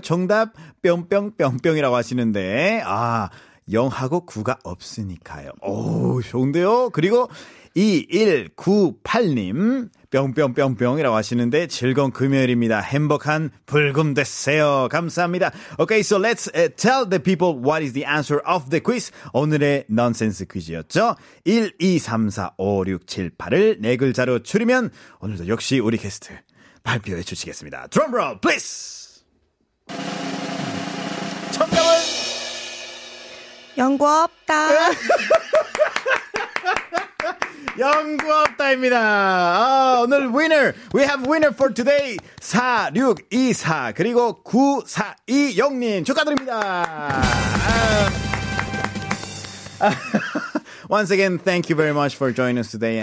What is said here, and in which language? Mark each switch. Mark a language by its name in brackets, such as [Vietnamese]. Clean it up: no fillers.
[Korean] 정답 뿅뿅뿅뿅이라고 하시는데 아. 영하고 구가 없으니까요. 오, 좋은데요? 그리고 2198님 뿅뿅뿅뿅이라고 하시는데 즐거운 금요일입니다. 행복한 불금 되세요. 감사합니다. [English] Okay, so let's tell the people what is the answer of the quiz. [Korean] 오늘의 nonsense 퀴즈였죠. 1, 2, 3, 4, 5, 6, 7, 8을 네 글자로 추리면 오늘도 역시 우리 게스트 발표해 주시겠습니다. [English] Drum roll, please! [Korean] 정답은 연구 없다. 연구 없다입니다. 아, 오늘 winner. [English] We have winner for today. [Korean] 4624 그리고 9420님 축하드립니다. [English] Once again, thank you very much for joining us today.